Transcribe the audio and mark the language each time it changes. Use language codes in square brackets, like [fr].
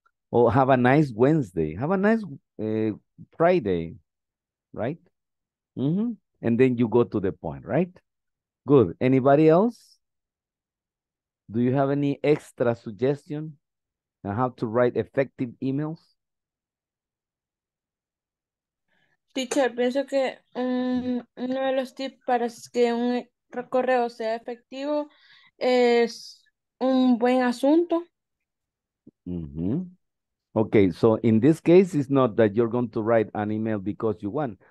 [en] Or have a nice Wednesday, have a nice Friday, right? Mm-hmm. And then you go to the point, right? Good. Anybody else? Do you have any extra suggestion on how to write effective emails? [es] Teacher, pienso que uno de los tips para que un correo sea efectivo es un buen asunto. Mm-hmm. [en] Okay, so in this case, it's not that you're going to write an email because you want.